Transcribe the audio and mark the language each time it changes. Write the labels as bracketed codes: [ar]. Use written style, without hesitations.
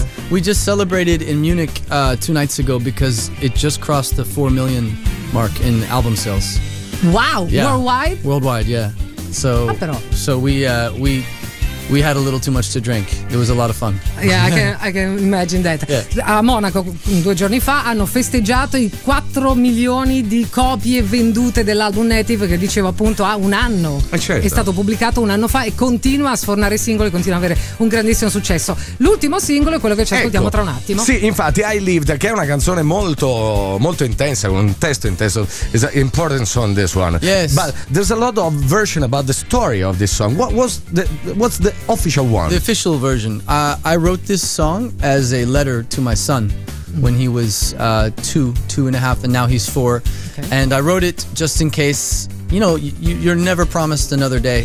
[en] we just celebrated in Munich 2 nights ago, because it just crossed the 4 million mark in album sales. Wow. Yeah. Worldwide, yeah. So we had a little too much to drink. It was a lot of fun. Yeah, I can imagine that. Yeah. [it] A Monaco, 2 giorni fa, hanno festeggiato i 4 milioni di copie vendute dell'album Native, che dicevo appunto ha un anno. Certo. È stato pubblicato un anno fa e continua a sfornare singoli, continua ad avere un grandissimo successo. L'ultimo singolo è quello che ci ascoltiamo tra un attimo. Sì, infatti, I Lived, che è una canzone molto, molto intensa, con un testo intenso. [en] It's an important song, this one. Yes. But there's a lot of version about the story of this song. What's the official one? The official version. I wrote this song as a letter to my son when he was two and a half, and now he's 4. Okay. And I wrote it just in case, you know, you're never promised another day.